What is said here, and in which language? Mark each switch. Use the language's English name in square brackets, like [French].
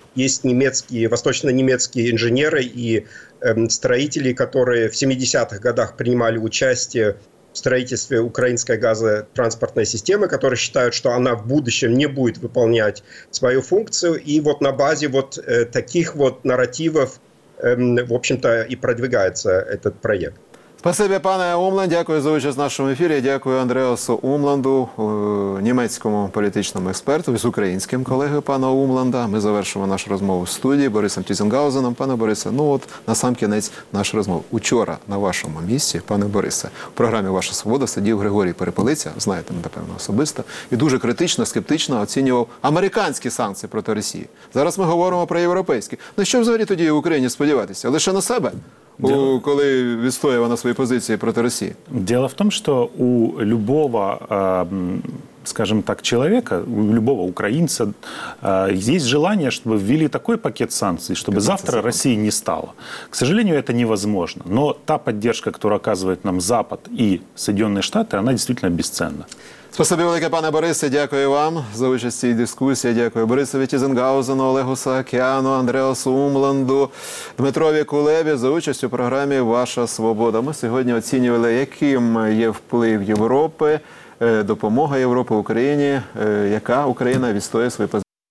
[Russian] Есть немецкие, восточно-немецкие инженеры и строители, которые в 70-х годах принимали участие в строительстве украинской газотранспортной системы, которые считают, что она в будущем не будет выполнять свою функцию. И вот на базе вот таких вот нарративов, в общем-то, и продвигается этот проект. Спасибо, пане Умланд. [Ukrainian] Дякую за участь в [Russian] нашем эфире. [Ukrainian] Дякую Андреасу Умланду, німецькому політичному експерту, з українським колегою пана Умланда. Ми завершимо нашу розмову в студії Борисом Тізенгаузеном. Пане Борисе, ну от на сам кінець нашої розмови. Учора на вашому місці, пане Борисе, в програмі «Ваша свобода» сидів Григорій Перепелиця, знаєте, напевно, особисто, і дуже критично, скептично оцінював американські санкції проти Росії. Зараз ми говоримо про європейські. На що взагалі тоді в Україні сподіватися? Лише на себе? коли відстоював на своїй позиції проти Росії? Діло в тому, що у [Russian] любого, скажем так, человека, любого украинца, есть желание, чтобы ввели такой пакет санкций, чтобы завтра России не стало. К сожалению, это невозможно. Но та поддержка, которую оказывает нам Запад и Соединенные Штаты, она действительно бесценна. [Ukrainian] Спасибо велике, пане Борисе, дякую вам за участь в цій дискусії. Дякую Борисові Тізенгаузену, Олегу Саакяну, Андреасу Умланду, Дмитрові Кулебі за участь у програмі «Ваша свобода». Ми сьогодні оцінювали, яким є вплив Європи, допомога Європи Україні, яка Україна відстоює свої позиції.